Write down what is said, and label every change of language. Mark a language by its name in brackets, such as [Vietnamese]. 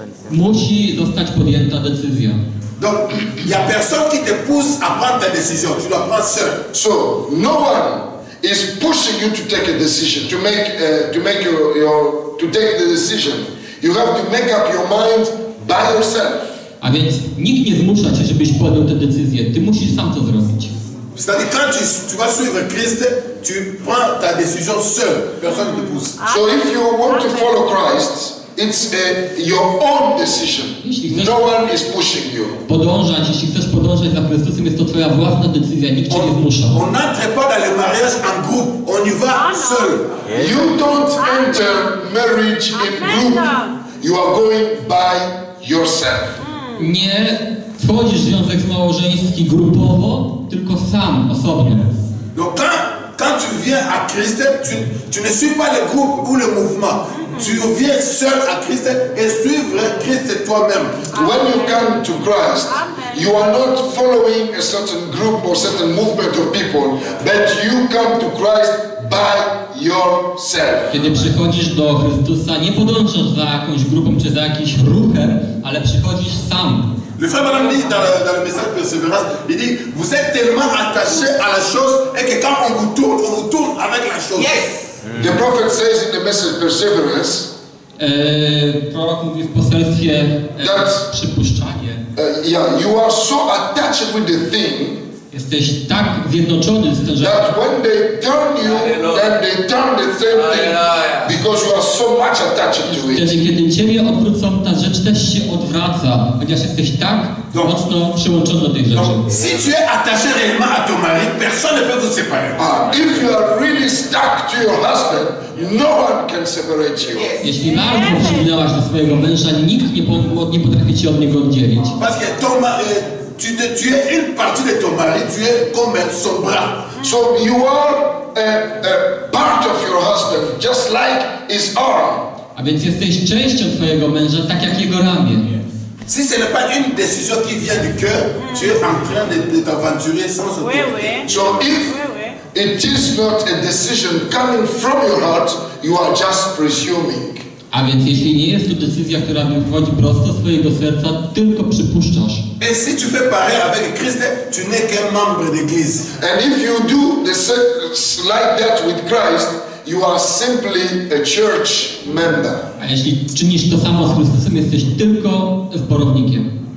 [Polish] Musi zostać podjęta decyzja. [French] Donc, il y a personne qui te pousse à prendre ta décision. Tu dois prendre seul. [English] So, no one is pushing you to take a decision, to take the decision. You have to make up your mind by yourself. [Polish] A więc nikt nie zmusza cię, żebyś podjął tę decyzję. Ty musisz sam to zrobić. [French] C'est-à-dire, quand tu vas suivre Christ, tu prends ta décision seul. Personne ne te pousse. [English] So if you want to follow Christ, it's your own decision. No one is pushing you. [Polish] Podążać, jeśli chcesz podążać za Chrystusem, jest to twoja własna decyzja, nikt cię nie zmusza. [French] On n'entre pas dans le mariage en groupe, on y va seul. [English] You don't enter marriage in group. You are going by yourself. [Polish] Nie wchodzisz w związek małżeński grupowo, tylko sam, osobnie. [French] No quand tu viens à Christ, tu ne suis pas le groupe ou le mouvement. Tu reviens seul à Christ et suivre Christ toi-même. [English] When you come to Christ, amen, you are not following a certain group or certain movement of people, but you come to Christ by yourself. [Polish] Kiedy przychodzisz do Chrystusa, nie podążasz za jakąś grupą czy za jakimś ruchem, ale przychodzisz sam. [French] Le frère Branham dit dans le message de persévérance, il dit, vous êtes tellement attaché à la chose et que quand on vous tourne avec la chose. [English] Yes. The prophet says in the message Perseverance, [Polish] Prorok mówi w poselstwie przypuszczanie. [English] You are so attached with the thing. [Polish] Jesteś tak zjednoczony z tym, że [English] that when they turn you, then they turn the same thing, because you are so much attached to it. [Polish] Wtedy, kiedy ciebie odwrócą, ta rzecz też się odwraca, ponieważ jesteś tak mocno przyłączony do tej rzeczy. [French] Si tu es attaché réellement à ton mari, personne ne peut te séparer. [English] If you are really stuck to your husband, no one can separate you. [Polish] Jeśli bardzo przywiązałaś do swojego męża, nikt nie potrafi cię od niego oddzielić. [French] Parce que ton mari, tu es une partie de ton mari, tu es comme son bras. [English] So you are a part of your husband, just like his arm. [Polish] A więc jesteś częścią twojego męża, tak jak jego ramię. [French] Si ce n'est pas une décision qui vient du cœur, tu es en train de t'aventurer sans autorité. Oui, oui. [English] So if it is not a decision coming from your heart, you are just presuming. [Polish] A więc jeśli nie jest to decyzja, która wychodzi prosto z twojego serca, tylko przypuszczasz. [French] Et si tu fais pareil avec Christ, tu n'es qu'un membre d'église. [English] And if you do the same like that with Christ, you are simply a church member. [Polish] A jeśli czynisz to samo z Chrystusem, jesteś tylko zborownikiem.